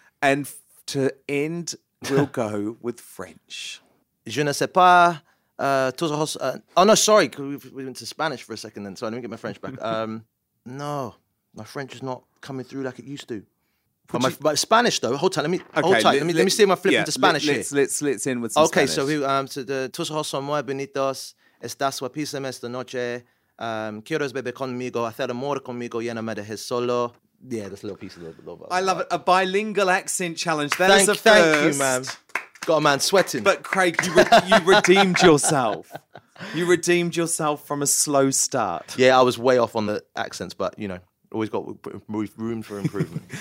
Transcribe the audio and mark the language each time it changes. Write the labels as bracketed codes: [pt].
[en] And to end, we'll go with French. [fr] Je ne sais pas. [en] Sorry. We went to Spanish for a second then. Sorry, let me get my French back. No, my French is not coming through like it used to. My Spanish though. Hold tight. Let me see my flip into Spanish. Let's in with some Spanish. Okay, so [es] tus ojos son muy bonitos. Estás guapísima esta noche. Quiero beber conmigo, hacer amor conmigo, lléname de Jesús solo. [en] Yeah, this little piece of the I love it. A bilingual accent challenge. Thank you, man. Got a man sweating. But Craig, you redeemed yourself. You redeemed yourself from a slow start. Yeah, I was way off on the accents, but you know, always got room for improvement.